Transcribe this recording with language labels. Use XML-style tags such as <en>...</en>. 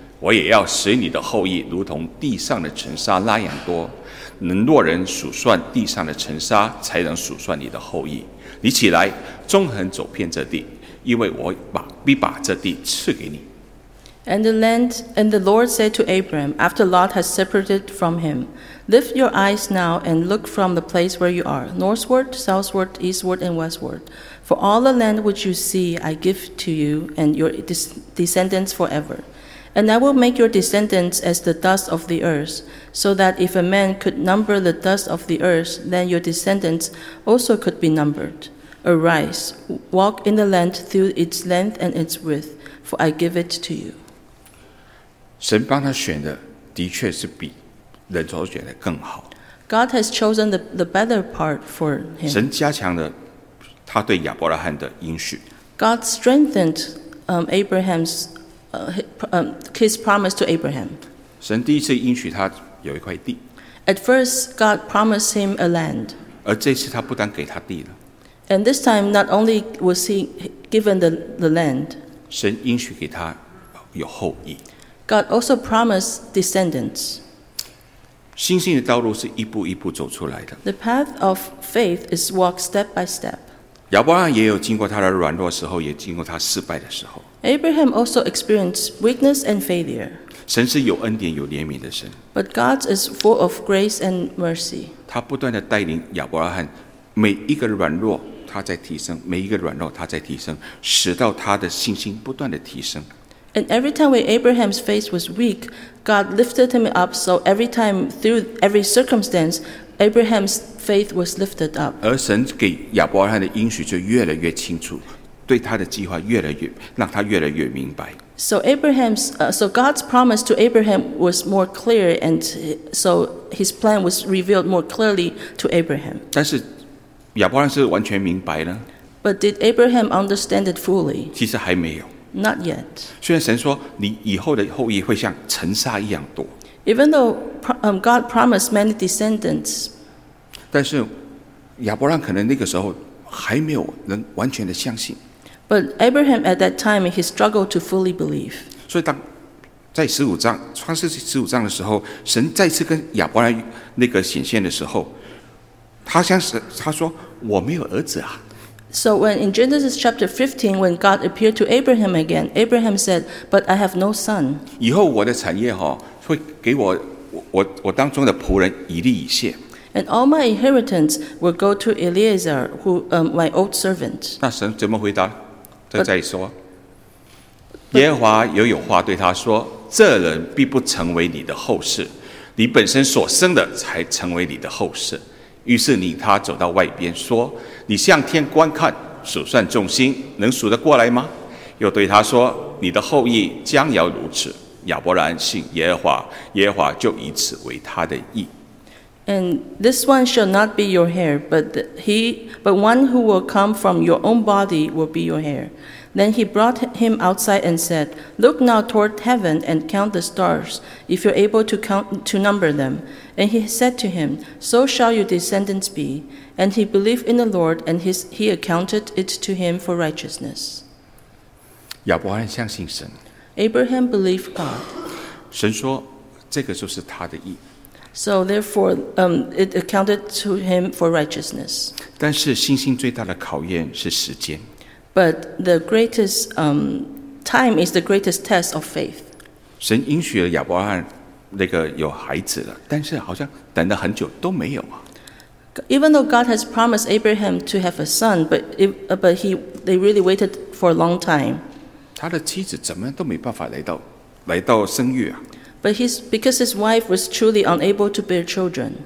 <zh>我也要使你的后裔如同地上的尘沙那样多，能若人数算地上的尘沙，才能数算你的后裔。你起来，纵横走遍这地，因为我必把这地赐给你。”</zh> <en>And the Lord said to Abram, after Lot has separated from him, Lift your eyes now and look from the place where you are, northward, southward, eastward, and westward. For all the land which you see, I give to you and your descendants forever. And I will make your descendants as the dust of the earth, so that if a man could number the dust of the earth, then your descendants also could be numbered. Arise, walk in the land through its length and its width, for I give it to you.</en> <zh>神帮他选的的确是比人所选的更好。</zh> <en>God has chosen the better part for him.</en> <zh>神加强了他对亚伯拉罕的应许。</zh> <en>God strengthened Abraham's his promise to Abraham.</en> <zh>神第一次应许他有一块地。</zh> <en>At first, God promised him a land.</en> <zh>而这次他不但给他地了。</zh> <en>And this time, not only was he given the land.</en> <zh>神应许给他有后裔。</zh> <en>God also promised descendants.</en> <zh>信心的道路是一步一步走出来的。</zh> <en>The path of faith is walked step by step.</en> <zh>亚伯拉罕也有经过他的软弱时候，也经过他失败的时候。</zh> <en>Abraham also experienced weakness and failure.</en> <zh>神是有恩典有怜悯的神。</zh> <en>But God is full of grace and mercy.</en> <zh>他不断的带领亚伯拉罕，每一个软弱他在提升，每一个软弱他在提升，使到他的信心不断的提升。</zh> <en>And every time when Abraham's faith was weak, God lifted him up. So every time through every circumstance, Abraham's faith was lifted up.</en> <zh>而神给亚伯拉罕的应许就越来越清楚，对他的计划越来越让他越来越明白。</zh> <en>So Abraham's so God's promise to Abraham was more clear, and so his plan was revealed more clearly to Abraham.</en> <zh>但是亚伯拉罕是完全明白呢</zh> <en>？But did Abraham understand it fully?</en> <zh>其实还没有。</zh> <en>Not yet.</en> <zh>虽然神说你以后的后裔会像尘沙一样多</zh> <en>，Even though God promised many descendants，</en> <zh>但是亚伯拉罕可能那个时候还没有能完全的相信。</zh> <en>But Abraham at that time he struggled to fully believe.</en> <zh>所以当在十五章创世纪十五章的时候，神再次跟亚伯拉罕那个显现的时候，他说我没有儿子啊。</zh> <en>So when in Genesis chapter 15, when God appeared to Abraham again, Abraham said, "But I have no son."</en> <zh>以后我的产业哈会给我当中的仆人以利以谢。</zh> <en>And all my inheritance will go to Eliezer, who my old servant.</en> <zh>那神怎么回答？再说，耶和华又有话对他说：“这人必不成为你的后嗣，你本身所生的才成为你的后嗣。” 于是领他走到外边说：“你向天观看，数算众星，能数得过来吗？” 又对他说：“你的后裔将要如此。” 亚伯兰信耶和华，耶和华就以此为他的义。</zh> <en>And this one shall not be your heir, but one who will come from your own body will be your heir. Then he brought him outside and said, Look now toward heaven and count the stars, if you're able to count to number them. And he said to him, So shall your descendants be. And he believed in the Lord, and he accounted it to him for righteousness.</en> <zh>亚伯拉罕相信神。</zh> <en>Abraham believed God.</en> <zh>神说，这个就是他的义。</zh> <en>So therefore, it accounted to him for righteousness.</en> <zh>但是信心最大的考验是时间。</zh> <en>But the greatest time is the greatest test of faith.</en> <zh>神应许了亚伯拉罕那个有孩子了，但是好像等了很久都没有啊。</zh> <en>Even though God has promised Abraham to have a son, but they really waited for a long time.</en> <zh>他的妻子怎么都没办法来到生育啊。</zh> <en>But because his wife was truly unable to bear children.</en>